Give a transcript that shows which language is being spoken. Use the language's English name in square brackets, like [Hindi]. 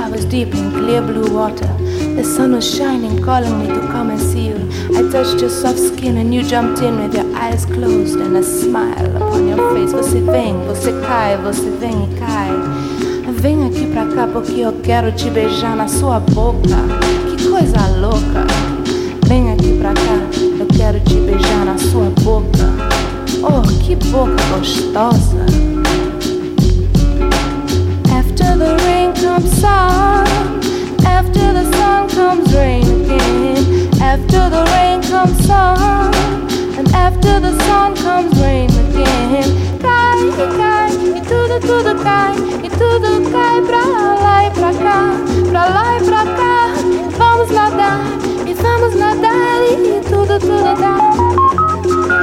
[English] Deep in clear blue water, the sun was shining, calling me to come and see you. I touched your soft skin and you jumped in with your eyes closed and a smile upon your face. [Portuguese] Você cai, você vem e cai. Vem aqui pra cá porque eu quero te beijar na sua boca. Que coisa louca. Vem aqui pra cá, eu quero te beijar na sua boca. Oh, que boca gostosa. [English] After the rain comes sun, after the sun comes rain again. After the rain comes sun, and after the sun comes rain again. [Portuguese] Cai, cai, e tudo, tudo cai, e tudo cai pra lá e pra cá, pra lá e pra cá. Vamos nadar, e vamos nadar, e tudo, tudo dá.